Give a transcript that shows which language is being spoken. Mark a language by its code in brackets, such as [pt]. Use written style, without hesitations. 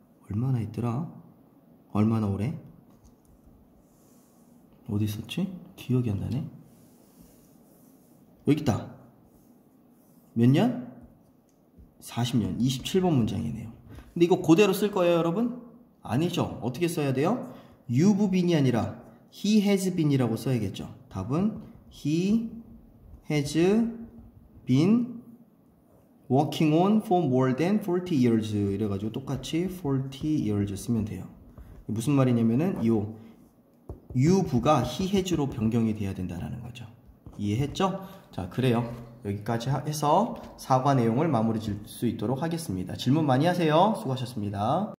[ko] 얼마나 있더라? 얼마나 오래? 어디 있었지? 기억이 안 나네. 여기 있다. 몇 년? 40년. 27번 문장이네요. 근데 이거 그대로 쓸 거예요, 여러분? 아니죠. 어떻게 써야 돼요? [en] You've been [ko] 이 아니라 [en] he has been [ko] 이라고 써야겠죠. 답은 [en] he has been working on for more than 40 years. [ko] 이래가지고 똑같이 40 years 쓰면 돼요. 무슨 말이냐면은 요 유부가 히해즈로 변경이 돼야 된다라는 거죠. 이해했죠? 자, 그래요. 여기까지 해서 사과 내용을 마무리 질수 있도록 하겠습니다. 질문 많이 하세요. 수고하셨습니다.